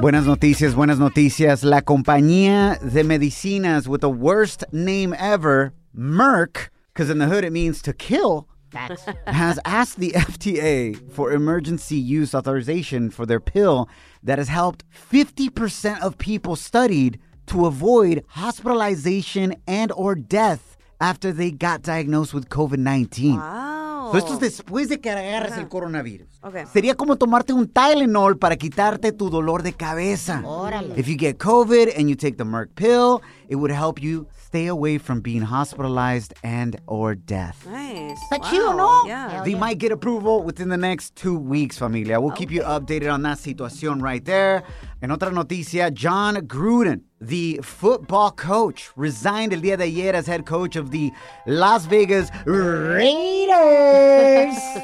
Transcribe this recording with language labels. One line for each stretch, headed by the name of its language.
Spanish: Buenas noticias. La compañía de medicinas
English: with the worst name ever, Merck, because in the hood it means to kill, has asked the FDA for emergency use authorization for their pill that has helped 50% of people studied to avoid hospitalization and or death after they got diagnosed with COVID-19. Wow.
Spanish: So esto es después de que agarras el coronavirus.
English: Okay.
Spanish: Sería como tomarte un Tylenol para quitarte tu dolor de cabeza. Órale.
English: If you get COVID and you take the Merck pill, it would help you stay away from being hospitalized and or death. Nice. But you know, they might get approval within the next 2 weeks, familia. We'll keep you updated on that situation right there.
Spanish: En otra noticia,
English: John Gruden, the football coach, resigned
Spanish: el día de ayer
English: as head coach of the Las Vegas Raiders.